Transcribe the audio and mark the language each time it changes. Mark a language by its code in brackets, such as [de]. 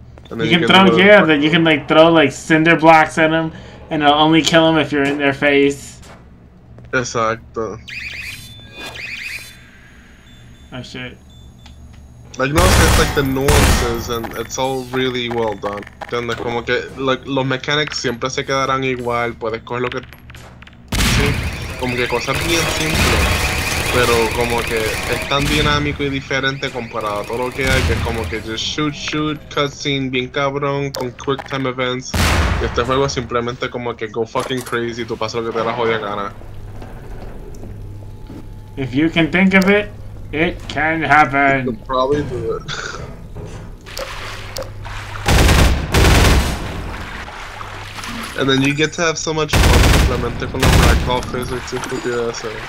[en] Then you can, like, throw, like, cinder blocks at them, and it'll only kill them if you're in their face. [es] Exacto. [en] Oh, shit. Like, no, it's like the nuances, and it's all really well done. [es] ¿Entiendes? Como que, like, los mechanics siempre se quedarán igual, puedes coger lo que... Sí, como que cosas bien simples, pero como que es tan dinámico y diferente comparado a todo lo que es como que [en] just shoot, cutscene, [es] bien cabrón, con quick time events, y este juego simplemente como que [en] go fucking crazy, [es] tú pasas lo que te da la jodida gana. [en] If you can think of it, it can happen. You can probably do it. And then you get to have so much fun [es] simplemente con los [en] crackball physics if you do that, so.